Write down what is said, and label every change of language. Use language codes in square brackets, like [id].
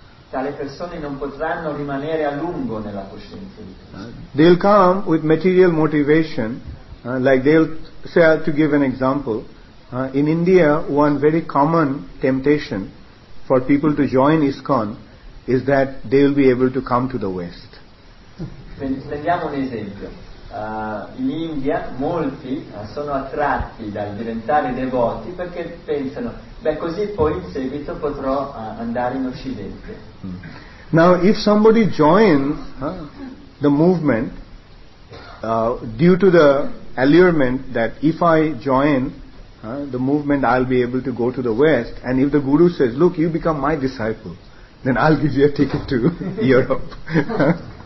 [it] Tale persone non potranno rimanere a lungo nella coscienza di Krishna. [en] They'll come with material motivation, like they'll say, to give an example, in India, one very common temptation for people to join ISKCON is that they will be able to come to the West. [it] Prendiamo un esempio. In India molti sono attratti dal diventare devoti perché pensano, beh, così poi in seguito potrò andare in Occidente. [en] Now, if somebody joins the movement due to the allurement that if I join the movement, I'll be able to go to the West, and if the guru says, look, you become my disciple, then I'll give you a ticket to Europe.